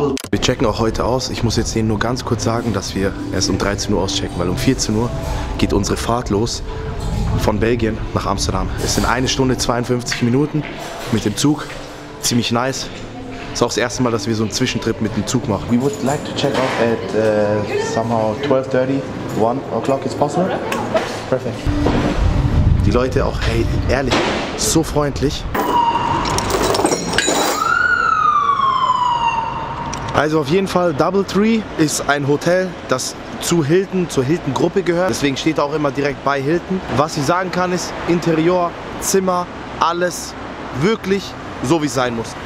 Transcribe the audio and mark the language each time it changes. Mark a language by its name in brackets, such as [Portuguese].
[German] Wir checken auch heute aus. Ich muss jetzt denen nur ganz kurz sagen, dass wir erst um 13 Uhr auschecken, weil um 14 Uhr geht unsere Fahrt los von Belgien nach Amsterdam. Es sind 1 Stunde 52 Minuten mit dem Zug. Ziemlich nice. Das ist auch das erste Mal, dass wir so einen Zwischentrip mit dem Zug machen. [English] We would like to check out at somehow 12:30, 1 o'clock is possible. Perfect. [German] Die Leute auch, hey, ehrlich, so freundlich. Also auf jeden Fall, Doubletree ist ein Hotel, das zu Hilton, zur Hilton-Gruppe gehört. Deswegen steht auch immer direkt bei Hilton. Was ich sagen kann ist, Interieur, Zimmer, alles wirklich so wie es sein muss.